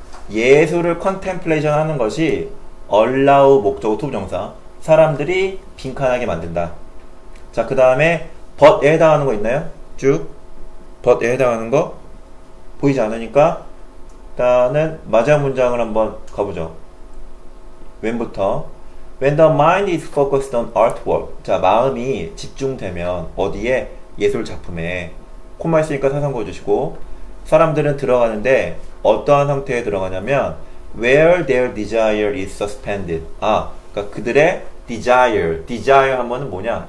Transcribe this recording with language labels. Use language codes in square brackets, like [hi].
[ko] 예술을 contemplation 하는 것이 allow 목적어 to 부정사. 사람들이 빈칸하게 만든다. 자, 그 다음에, but에 해당하는 거 있나요? 쭉. but에 해당하는 거? 보이지 않으니까, 일단은, 마지막 문장을 한번 가보죠. 왼부터. [en] When the mind is focused on artwork. [ko] 자, 마음이 집중되면, 어디에? 예술 작품에. 콤마 있으니까 사성고 해주시고. 사람들은 들어가는데, 어떠한 상태에 들어가냐면, [en] where their desire is suspended. [ko] 아, 그러니까 그들의 desire 한 번은 뭐냐?